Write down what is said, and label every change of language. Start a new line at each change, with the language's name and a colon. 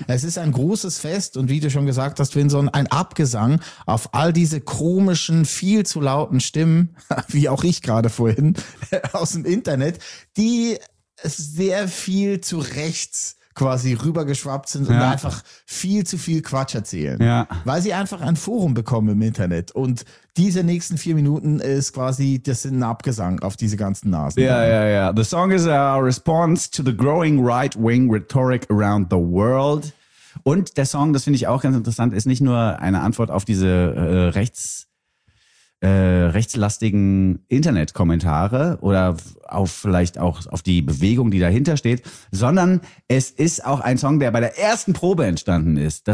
German: Es ist ein großes Fest und wie du schon gesagt hast, Vinson, ein Abgesang auf all diese komischen, viel zu lauten Stimmen, wie auch ich gerade vorhin, aus dem Internet, die sehr viel zu rechts quasi rübergeschwappt sind und einfach viel zu viel Quatsch erzählen. Ja. Weil sie einfach ein Forum bekommen im Internet und diese nächsten 4 Minuten ist quasi, das sind ein Abgesang auf diese ganzen Nasen. Ja, ja, ja.
English: The song is a response to the growing right-wing rhetoric around the world.
German: Und der Song, das finde ich auch ganz interessant, ist nicht nur eine Antwort auf diese rechtslastigen Internetkommentare oder auf vielleicht auch auf die Bewegung, die dahinter steht, sondern es ist auch ein Song, der bei der ersten Probe entstanden ist.